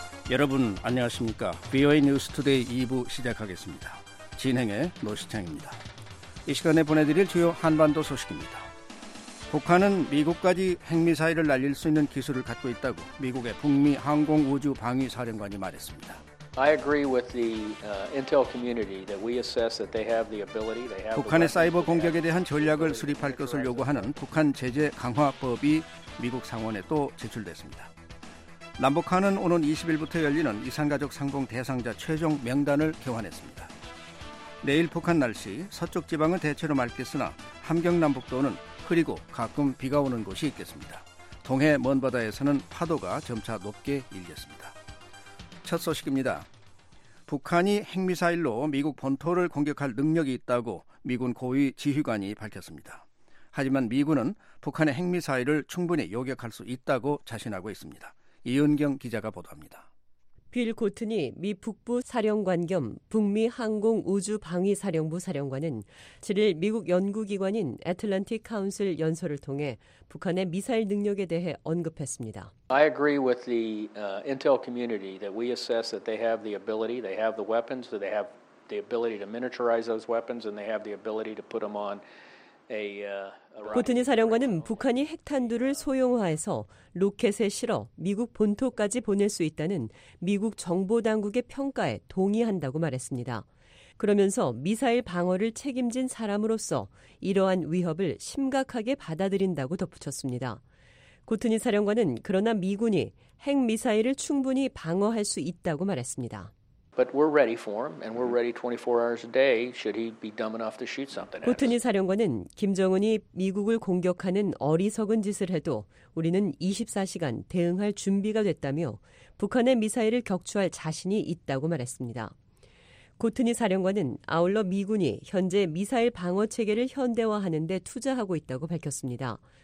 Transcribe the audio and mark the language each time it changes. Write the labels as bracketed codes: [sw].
[ko] 여러분 안녕하십니까? VOA News Today 2부 시작하겠습니다. 진행의 노시창입니다. 이 시간에 보내드릴 주요 한반도 소식입니다. 북한은 미국까지 핵미사일을 날릴 수 있는 기술을 갖고 있다고 미국의 북미 항공 우주 방위 사령관이 말했습니다. [en] I agree with the intel community that we assess that they have the ability. They have [ko] 북한의 사이버 공격에 대한 전략을 수립할 것을 요구하는 북한 제재 강화법이 미국 상원에 또 제출됐습니다. 남북한은 오는 20일부터 열리는 이산가족 상봉 대상자 최종 명단을 교환했습니다. 내일 북한 날씨 서쪽 지방은 대체로 맑겠으나 함경남북도는 흐리고 가끔 비가 오는 곳이 있겠습니다. 동해 먼 바다에서는 파도가 점차 높게 일겠습니다. 첫 소식입니다. 북한이 핵미사일로 미국 본토를 공격할 능력이 있다고 미군 고위 지휘관이 밝혔습니다. 하지만 미군은 북한의 핵미사일을 충분히 요격할 수 있다고 자신하고 있습니다. 이은경 기자가 보도합니다. 빌 코튼이 미 북부 사령관 겸 북미 항공 우주 방위 사령부 사령관은 7일 미국 연구기관인 애틀란틱 카운슬 연설을 통해 북한의 미사일 능력에 대해 언급했습니다. [en] I agree with the intel community that we assess that they have the ability, they have the weapons, so they have the ability to miniaturize those weapons and they have the ability to put them on a [ko] 코튼이 사령관은 북한이 핵탄두를 소형화해서 로켓에 실어 미국 본토까지 보낼 수 있다는 미국 정보당국의 평가에 동의한다고 말했습니다. 그러면서 미사일 방어를 책임진 사람으로서 이러한 위협을 심각하게 받아들인다고 덧붙였습니다. 코튼이 사령관은 그러나 미군이 핵미사일을 충분히 방어할 수 있다고 말했습니다. [en] But we're ready for him, and we're ready 24 hours a day. Should he be dumb enough to shoot something? [ko] 코튼이 사령관은 김정은이 미국을 공격하는 어리석은 짓을 해도 우리는 24시간 대응할 준비가 됐다며 북한의 미사일을 격추할 자신이 있다고 말했습니다. 코튼이 사령관은 아울러 미군이 현재 미사일 방어 체계를 현대화하는 데 투자하고 있다고 밝혔습니다.